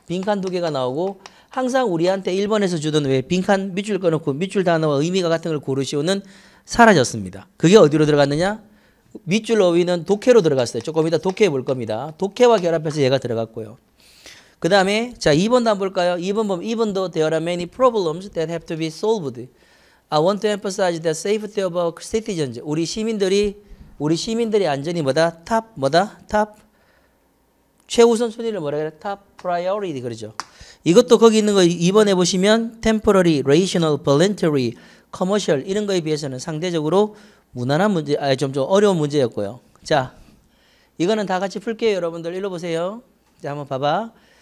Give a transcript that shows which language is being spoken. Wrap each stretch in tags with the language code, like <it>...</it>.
<ko>빈칸 2개가 나오고 항상 우리한테 1번에서 주던 왜 빈칸 밑줄 꺼놓고 밑줄 단어와 의미가 같은 걸 고르시오는 사라졌습니다. 그게 어디로 들어갔느냐? 밑줄 어휘는 독해로 들어갔어요. 조금 이따 독해 볼 겁니다. 독해와 결합해서 얘가 들어갔고요. 그 다음에 자 2번도 한번 볼까요? 2번 보면</ko> <en>Even though there are many problems that have to be solved, I want to emphasize the safety of our citizens.</en> <ko>우리 시민들이 안전이 뭐다? 탑 뭐다? 탑 최우선 순위를 뭐라 그래? 탑 프라이어리티 그러죠. 이것도 거기 있는 거 2번에 보시면 temporary, rational, voluntary, commercial 이런 거에 비해서는 상대적으로 무난한 문제, 아니 좀좀 어려운 문제였고요. 자 이거는 다 같이 풀게요, 여러분들 일로 보세요. 자 한번 봐봐.</ko>